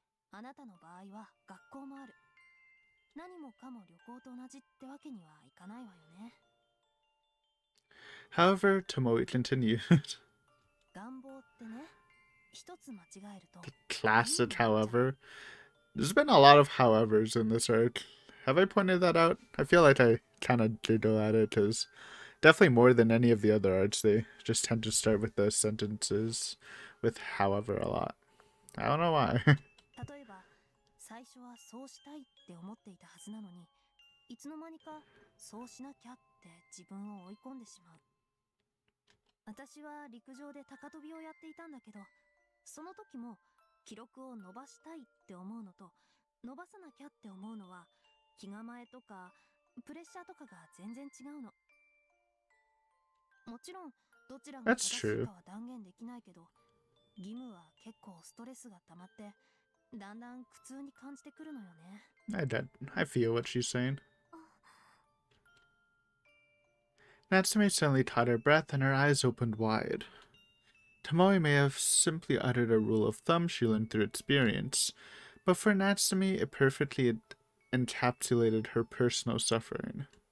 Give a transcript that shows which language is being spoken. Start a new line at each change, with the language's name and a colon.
Japanese: あなたの場合は学校もある。何もかも旅行と同じってわけにはいかないわよね。
English: However, Tomoe continued.
Japanese: 願望ってね、一つ間違えると
English: The classic, however. There's been a lot of howevers in this arc. Have I pointed that out? I feel like I kind of giggle at it, because definitely more than any of the other arcs, they just tend to start with those sentences with however a lot. I don't know why.
Japanese: 例えば、最初はそうしたいって思っていたはずなのに、いつの間にかそうしなきゃって自分を追い込んでしまう。私は陸上で高飛びをやっていたんだけど、その時も記録を伸ばしたいって思うのと、伸ばさなきゃって思うのは、気構えとかプレッシャーとかが全然違うの。もちろん、どちらが
English: That's
Japanese: 正しい
English: true.
Japanese: かは断言できないけど、義務は結構ストレスが溜まって、だんだん苦痛に感じてくるのよね。
English: I feel what she's saying. Natsumi suddenly caught her breath and her eyes opened wide. Tomoe may have simply uttered a rule of thumb she learned through experience, but for Natsumi, it perfectly encapsulated her personal suffering.